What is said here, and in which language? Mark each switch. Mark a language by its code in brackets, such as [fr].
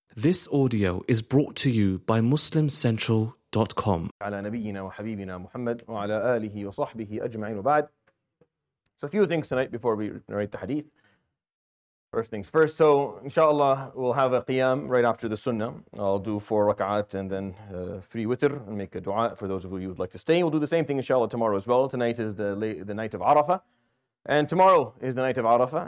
[en] This audio is brought to you by MuslimCentral.com. [ar] على نبينا وحبيبنا محمد وعلى آله وصحبه أجمعين وبعد. [en] So a few things tonight before we narrate the hadith. First things first. So inshallah we'll have a qiyam right after the sunnah. I'll do 4 rak'at and then 3 witr and make a dua for those of you who would like to stay. We'll do the same thing inshallah tomorrow as well. Tonight is the night of Arafah. And tomorrow is the night of Arafah.